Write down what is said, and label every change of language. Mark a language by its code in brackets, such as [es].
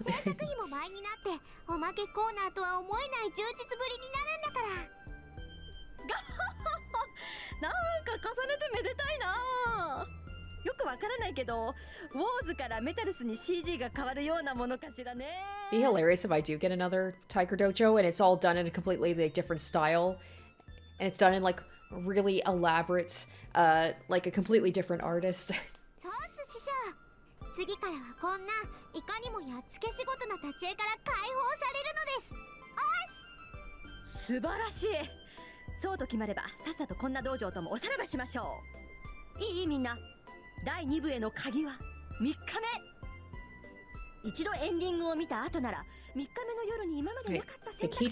[ja] 制作費も倍になっておまけコーナーとは思えない充実ぶりになるんだから。なんか重ねてめでたいな。よくわからないけど、ウォーズからメタルスに CG が変わるようなものかしらね。 [en] Be hilarious if I do get another Tiger Dojo and it's all done in a completely like different style and it's done in like really elaborate, like a completely different artist. [ja] そうす師匠。次からはこんないかにもやっつけ仕事な立ち絵から解放されるのです。おし。素晴らしい。そうと決まればさっさとこんな道場ともおさらばしましょう。いいみんな。第2部への鍵は3日目。一度エンディングを見た後なら3日目の夜に今までなかった選択肢